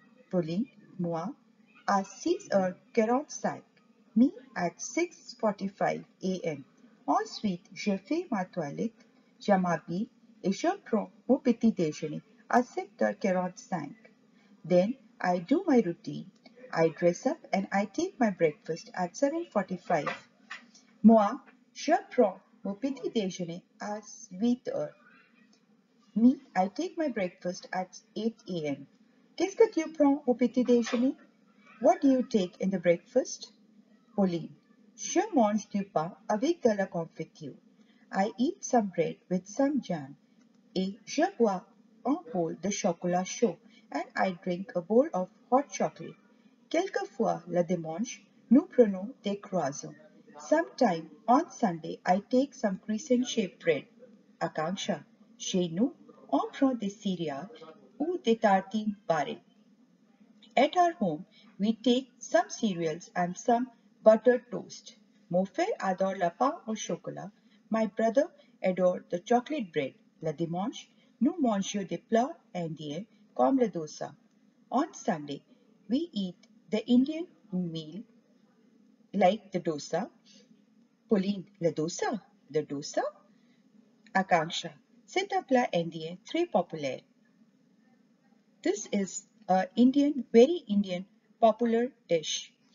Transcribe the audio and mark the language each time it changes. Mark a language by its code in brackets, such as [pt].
[fr] Pauline, moi, à 6h45. [en] Me, at 6:45 a.m. [fr] Ensuite, je fais ma toilette, je m'habille et je prends mon petit déjeuner à 7h45. [en] Then, I do my routine. I dress up and I take my breakfast at 7:45. [fr] Moi, je prends mon petit déjeuner à 8h. [en] Me, I take my breakfast at 8 a.m. [fr] Qu'est-ce que tu prends au petit déjeuner? [en] What do you take in the breakfast? [fr] Pauline, je mange du pain avec de la confiture. [en] I eat some bread with some jam. [fr] Et je bois un bol de chocolat chaud. [en] And I drink a bowl of hot chocolate. [fr] Quelquefois, le dimanche, nous prenons des croissants. [en] Sometime on Sunday, I take some crescent-shaped bread. [fr] Akanksha, chez nous, on prend des céréales ou des tartines barrées. [en] At our home, we take some cereals and some buttered toast. [fr] Mon frère adore le pain au chocolat. [en] My brother adore the chocolate bread. [fr] Le dimanche, nous mangeons des plats indiens comme le dosa. [en] On Sunday, we eat the Indian meal like the dosa. [fr] Pauline, le dosa? [en] The dosa? [fr] Akanksha. C'est un plat indien très populaire. [en] This is a Indian, very Indian, popular dish.